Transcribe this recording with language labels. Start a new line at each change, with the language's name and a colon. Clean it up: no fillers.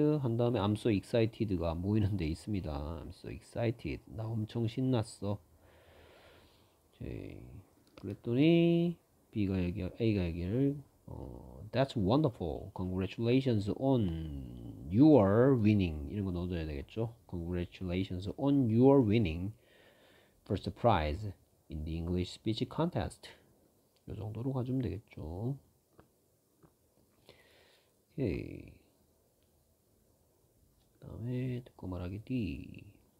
English: 한 다음에 I'm so excited가
Korean: 모이는 데 있습니다.
English: I'm so excited.
Korean: 나 엄청 신났어. 오케이. 그랬더니 A가 얘기를
English: That's wonderful. Congratulations on your winning.
Korean: 이런 거 넣어줘야 되겠죠?
English: Congratulations on your winning first prize in the English speech contest.
Korean: 요 정도로 가주면 되겠죠? 오케이. 그다음에 듣고 말하기 D.